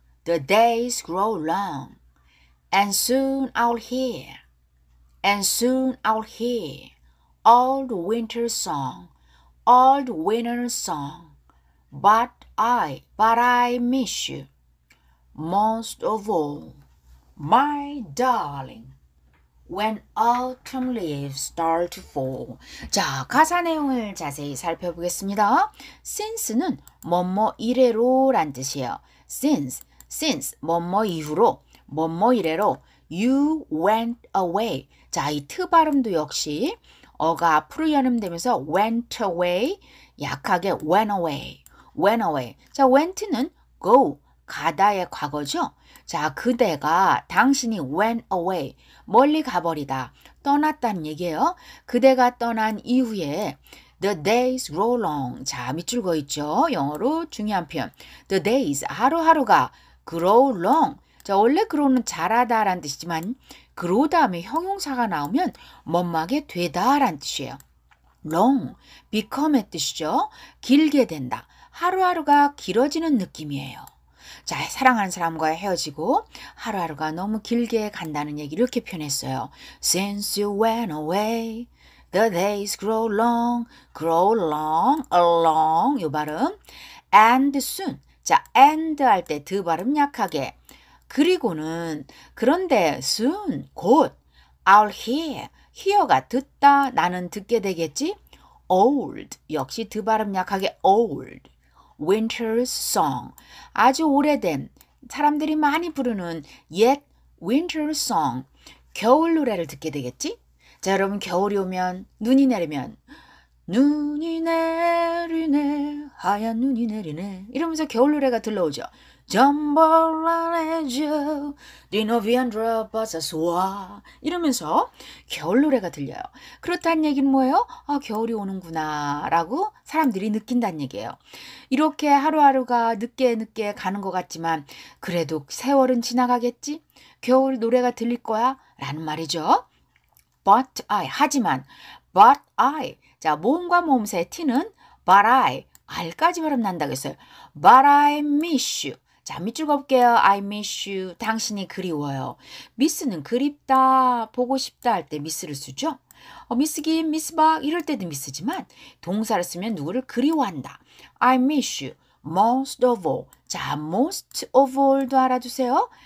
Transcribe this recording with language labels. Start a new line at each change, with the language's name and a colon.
English: The days grow long, and soon I'll hear, and soon I'll hear, old winter song, old winter song. But I miss you, most of all, my darling, when autumn leaves start to fall.
Korean: 자, 가사 내용을 자세히 살펴보겠습니다. Since는 뭐뭐 이래로란 뜻이에요. Since, 뭐뭐 이후로, 뭐뭐 이래로,
English: you went away.
Korean: 자, 이 t 발음도 역시 어가 앞으로 연음되면서 went away, 약하게 went away, went away. 자, went는 go, 가다의 과거죠. 자, 그대가, 당신이 went away, 멀리 가버리다, 떠났다는 얘기예요. 그대가 떠난 이후에
English: The days grow long.
Korean: 자, 밑줄 거 있죠. 영어로 중요한 표현. The days, 하루하루가 grow long. 자, 원래 grow는 자라다 라는 뜻이지만 grow 다음에 형용사가 나오면 멍하게 되다 라는 뜻이에요. long, become의 뜻이죠. 길게 된다. 하루하루가 길어지는 느낌이에요. 자, 사랑하는 사람과 헤어지고 하루하루가 너무 길게 간다는 얘기를 이렇게 표현했어요.
English: Since you went away, the days grow long,
Korean: 이 발음.
English: And soon.
Korean: 자, and 할 때 드 발음 약하게. 그리고는, 그런데 soon, 곧, I'll hear가 듣다, 나는 듣게 되겠지. old, 역시 드 발음 약하게 old. winter's song, 아주 오래된, 사람들이 많이 부르는 yet winter's song, 겨울 노래를 듣게 되겠지. 자, 여러분, 겨울이 오면, 눈이 내리면, 눈이 내리네, 하얀 눈이 내리네, 이러면서 겨울 노래가 들려오죠. Jambalaya, Dinovian drops as wa, 이러면서 겨울 노래가 들려요. 그렇다는 얘기는 뭐예요? 아, 겨울이 오는구나 라고 사람들이 느낀다는 얘기예요. 이렇게 하루하루가 늦게 가는 것 같지만 그래도 세월은 지나가겠지? 겨울 노래가 들릴 거야? 라는 말이죠. But I 자, 모음과 모음새 T는 but I, R까지 발음 난다고 했어요.
English: But I miss you.
Korean: 자, 밑줄 그을게요.
English: I miss you.
Korean: 당신이 그리워요. 미스는 그립다, 보고 싶다 할 때 미스를 쓰죠. 미스 김, 미스 박 이럴 때도 미스지만 동사를 쓰면 누구를 그리워한다.
English: I miss you. Most of all. 자, most of all도
Korean: 알아두세요.